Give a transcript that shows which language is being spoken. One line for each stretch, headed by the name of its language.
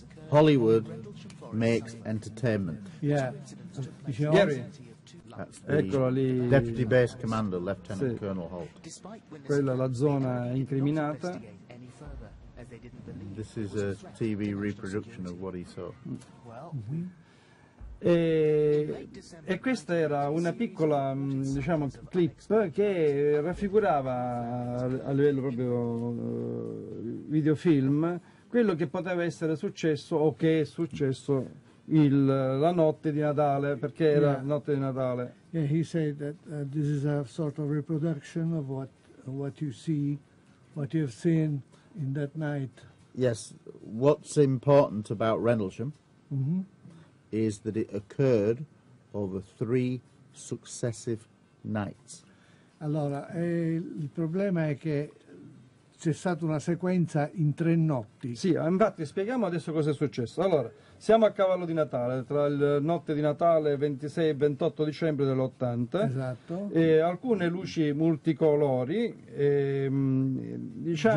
English: Hollywood makes entertainment. Yeah. Gary.
Italian: Eccolo lì.
English: Deputy Base Commander, Lieutenant sì. Colonel Holt.
Italian: Quella è la zona incriminata.
English: This is a TV reproduction of what he saw. Mm-hmm.
Italian: E questa era una piccola, diciamo, clip che raffigurava a livello proprio videofilm quello che poteva essere successo o che è successo la notte di Natale, perché era notte di Natale.
English: Yeah, he said that this is a sort of reproduction of what you see, what you have seen in that night. Yes, what's important about Rendlesham is that it occurred over three successive nights.
Italian: Allora, il problema è che c'è stata una sequenza in tre notti. Sì, infatti spieghiamo adesso cosa è successo. Allora, siamo a cavallo di Natale, tra il notte di Natale 26 e 28 dicembre dell'80. Esatto. E alcune luci multicolori, diciamo,